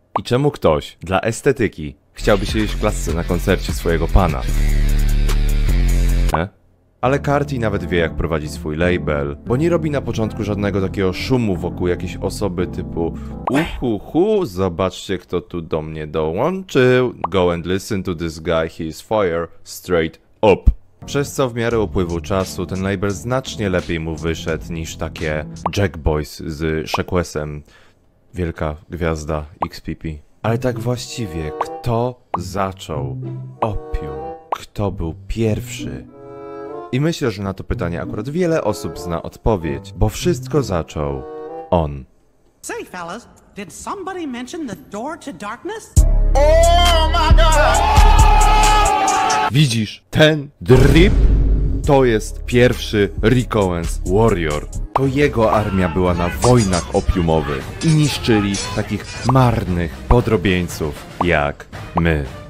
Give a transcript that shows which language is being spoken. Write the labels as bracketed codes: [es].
[pl] I czemu ktoś dla estetyki chciałby siedzieć w klasce na koncercie swojego pana? Ale Carti nawet wie, jak prowadzić swój label, bo nie robi na początku żadnego takiego szumu wokół jakiejś osoby typu uhuhu, zobaczcie, kto tu do mnie dołączył. [en] Go and listen to this guy, he is fire straight up. [pl] Przez co w miarę upływu czasu ten label znacznie lepiej mu wyszedł niż takie Jack Boys z Shequessem. Wielka gwiazda XPP. Ale tak właściwie, kto zaczął Opium? Kto był pierwszy? I myślę, że na to pytanie akurat wiele osób zna odpowiedź, bo wszystko zaczął on. [en] Say, fellas, did somebody mention the door to darkness? Oh my God! [pl] Widzisz, ten drip to jest pierwszy Rick Owens Warrior. To jego armia była na wojnach opiumowych i niszczyli takich marnych podrobieńców jak my.